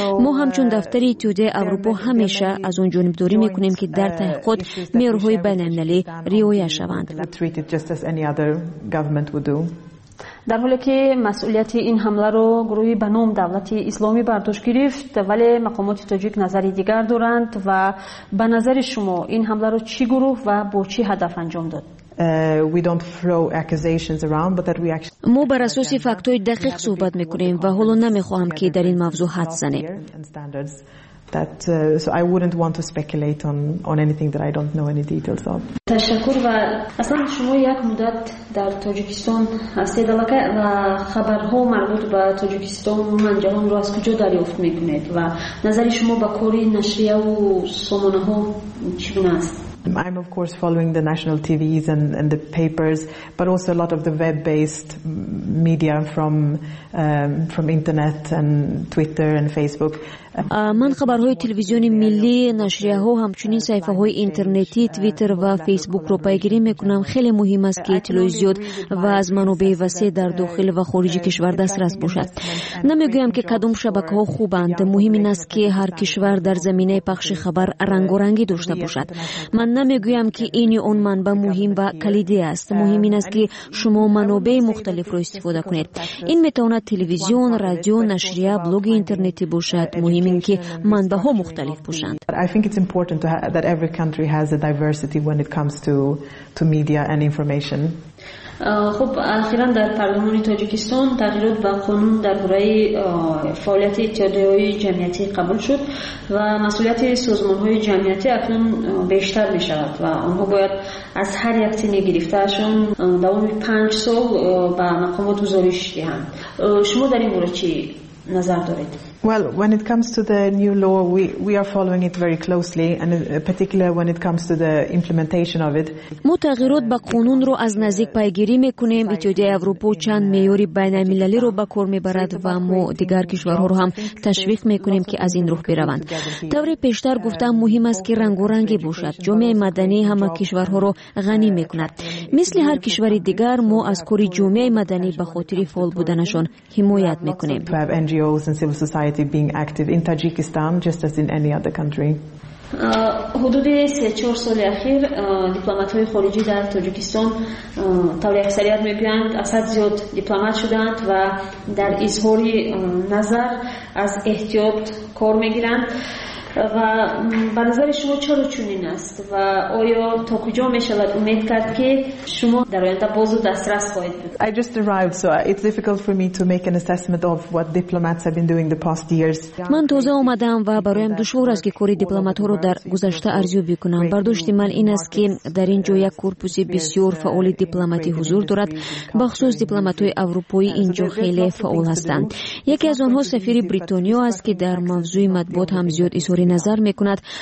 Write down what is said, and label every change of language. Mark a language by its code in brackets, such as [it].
[fa] ما همچون دفتر اتحادیه اروپا همیشه از اون جانب داریم میکنیم که در تحقیقات معیارهای بین‌المللی رعایت شوند. در حالی که مسئولیت این حمله را گروه به نام دولت اسلامی بر دوش گرفت، ولی مقامات تاجیک نظری دیگر دارند و به نظر شما این حمله را چه گروه و با چه هدف انجام داد؟ [en] We don't throw accusations around, but that we actually. [fa] مو بر اساس فکت‌های دقیق صحبت میکنیم و حالا نمیخواهم که در این موضوع حد زنیم. [en] That so I wouldn't want to speculate on anything that I don't know any details of. [fa] تشکر و اصلا شما یک مدت در تاجیکستان هستید و خبرها مربوط به تاجیکستان و منجهان رو از کجا دریافت میکنید و نظر شما به کاری نشریه و سامانه ها چگونه است؟ [en] I'm of course following the national TVs and the papers, but also a lot of the web-based media from internet and Twitter and Facebook. [fa] من خبرهای تلویزیونی ملی، نشریه ها، همچنین صفحه های اینترنتی، تویتر و فیسبوک رو پیگیری میکنم. خیلی مهم است که اطلاع زیاد و از منابع وسیع در داخل و خارج کشور دسترس باشد. نمیگویم که کدام شبکه ها خوبند. مهم این است که هر کشور در زمینه پخش خبر رنگارنگی داشته باشد. من نمیگویم که این یا آن منبع مهم و کلیدی است. مهم این است که شما منابع مختلف رو استفاده کنید. این میتواند تلویزیون، رادیو، نشریه، بلوگ اینترنتی باشد. مهم مهم این که منبع ها مختلف باشند. [en] I think it's important to that every country has a diversity when it comes to media and information. [fa] خب اخیرا در پارلمان تاجیکستان تغییرات به قانون درباره فعالیت اتحادیه‌های جمعیتی قبول شد و مسئولیت سازمان‌های جمعیتی اکنون بیشتر می‌شود و آنها باید از هر یک تنی گرفته‌شان دوام 5 سال به مقامات گزارش دهند. شما در این مورد چی نظر دارید؟ [en] Well, when it comes to the new law, we are following it very closely, and particularly when it comes to the implementation of it. [fa] مو تغییرات به قانون رو از نزدیک پیگیری میکنیم. اتحادیه اروپا چند معیار بین‌المللی رو به کار میبرد و مو دیگر کشورها رو هم تشویق میکنیم که از این راه بروند. طور پیشتر گفتم مهم است که رنگارنگی باشد. جامعه مدنی همه کشورها رو غنی میکند. مثل هر کشور دیگر مو از کار جامعه مدنی به خاطر فعال بودنشون حمایت میکنیم. [en] Society being active in Tajikistan just as in any other country. [fa] حدود 3-4 سال اخیر دیپلمات‌های خارجی در تاجیکستان طوری اکثریت می‌گویند از حد زیاد دیپلمات شدند و در اظهار نظر از احتیاط کار می‌گیرند و به نظر شما چرا چنین است و آیا تا کجا می‌شود امید کرد که شما در آینده باز دسترس خواهید بود؟ [en] I just arrived, so it's difficult for me to make an assessment of what diplomats have been doing the past years. [fa] من تازه آمدم و برایم دشوار است که کاری دیپلمات ها رو در گذشته ارزیابی کنم. برداشت من این است که در اینجا یک کورپوس بسیار فعال دیپلماتی حضور دارد. بخصوص دیپلمات های اروپایی اینجا خیلی فعال هستند. یکی از آنها سفیر بریتانیا است که در موضوع مطبوعات هم زیاد طوری نظر میکند.